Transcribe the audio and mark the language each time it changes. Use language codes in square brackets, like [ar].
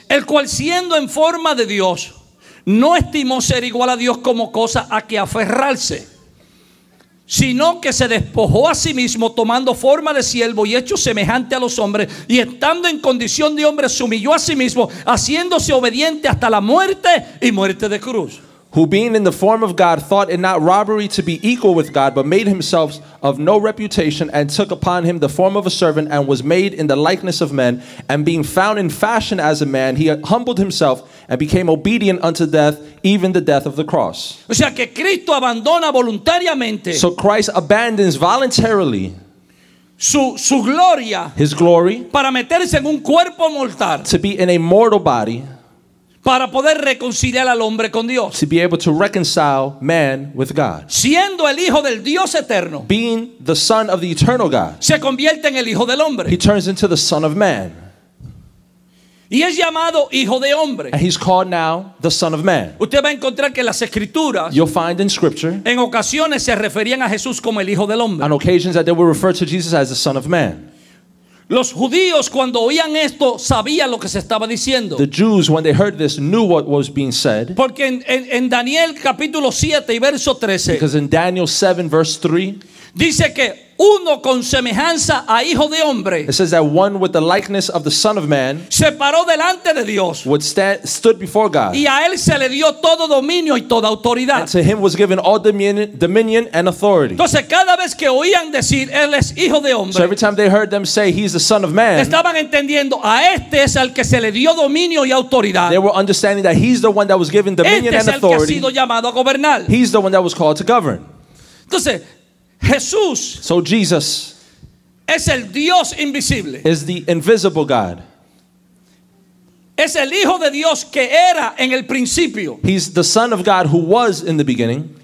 [es] el cual siendo en forma de Dios, no estimó ser igual a Dios como cosa a que aferrarse, sino que se despojó a sí mismo tomando forma de siervo y hecho semejante a los hombres, y estando en condición de hombre se humilló a sí mismo, haciéndose obediente hasta la muerte y muerte de cruz. [en] Who being in the form of God thought it not robbery to be equal with God, but made himself of no reputation and took upon him the form of a servant and was made in the likeness of men. And being found in fashion as a man, he humbled himself and became obedient unto death, even the death of the cross. [es] O sea, que Cristo abandona voluntariamente. [en] So Christ abandons voluntarily. [es] Su gloria. [en] His glory. [es] Para meterse en un cuerpo mortal. [en] To be in a mortal body. [es] Para poder reconciliar al hombre con Dios. [en] To be able to reconcile man with God. [es] Siendo el hijo del Dios eterno. [en] Being the son of the eternal God. [es] Se convierte en el hijo del hombre. [en] He turns into the son of man. [es] Y es llamado hijo de hombre. [en] And he's called now the son of man. [es] Usted va a encontrar que las escrituras. [en] You'll find in scripture. [es] En ocasiones se referían a Jesús como el hijo del hombre. [en] On occasions that they would refer to Jesus as the son of man. [es] Los judíos cuando oían esto sabían lo que se estaba diciendo. [en] The Jews when they heard this knew what was being said. [es] Porque en Daniel capítulo 7 y verso 13. [en] Because in Daniel 7 verse 3. [es] Dice que uno con semejanza a hijo de hombre. [en] It says that one with the likeness of the Son of Man [es] se paró delante de Dios. [en] Would stand, stood before God. [es] Y a él se le dio todo dominio y toda autoridad. [en] And to him was given all dominion and authority. [es] Entonces cada vez que oían decir él es hijo de hombre. [en] So every time they heard them say he's the Son of Man. [es] Estaban entendiendo a este es al que se le dio dominio y autoridad. [en] They were understanding that he's the one that was given dominion [es] este [en] and authority. [es] Este es el que ha sido llamado a gobernar. [en] He's the one that was called to govern. [es] Entonces Jesús, [en] so Jesus, [es] es el Dios invisible, [en] is the invisible God. [es] Es el hijo de Dios que era en el principio. [en] He's the Son of God who was in the beginning.